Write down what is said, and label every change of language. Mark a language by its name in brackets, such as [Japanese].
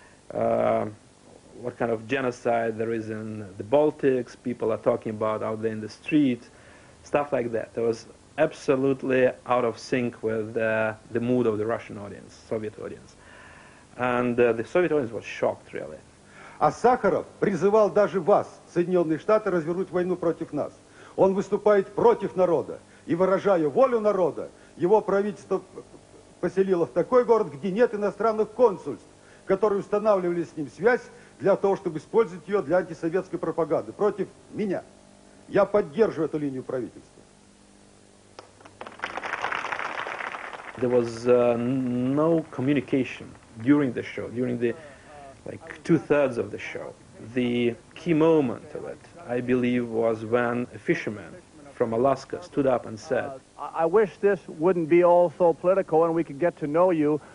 [English] What kind of genocide there is in the Baltics? People are talking about out there in the street, stuff like that. There was absolutely out of sync with the mood of the Russian audience, Soviet audience. And the Soviet audience was shocked, really. [Russian] А Сахаров призывал даже вас, Соединенные Штаты, развернуть войну против нас. Он выступает против народа. И выражая волю народа, его правительство поселило в такой город, где нет иностранных консульств, которые устанавливали с ним связь для того, чтобы использовать ее для антисоветской пропаганды против меня. Я поддерживаю эту линию правительства. [English] There was no communication during the show, during the like two-thirds of the show. The key moment of it, I believe, was when a fisherman from Alaska stood up and said, I wish this wouldn't be all so political and we could get to know you.